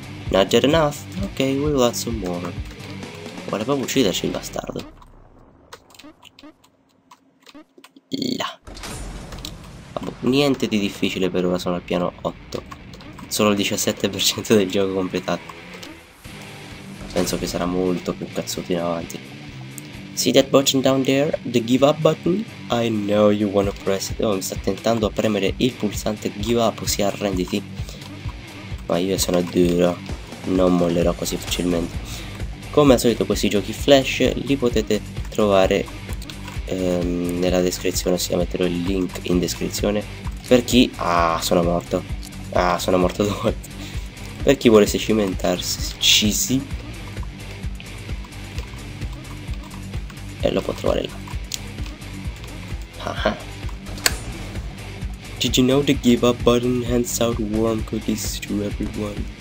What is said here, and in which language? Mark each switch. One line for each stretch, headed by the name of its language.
English: Not yet enough. Ok, we will add some more.
Italian: Vuole proprio ucciderci il bastardo. Niente di difficile per ora, sono al piano 8. Solo il 17% del gioco completato. Penso che sarà molto più cazzuto in avanti.
English: See that button down there? The give up button? I know you wanna press it.
Italian: Oh, mi sta tentando a premere il pulsante give up, ossia arrenditi. Ma io sono duro. Non mollerò così facilmente. Come al solito questi giochi flash li potete trovare nella descrizione, ossia metterò il link in descrizione per chi... sono morto due volte. Per chi volesse cimentarsi, e lo può trovare là.
English: Did you know the give up button hands out warm cookies to everyone?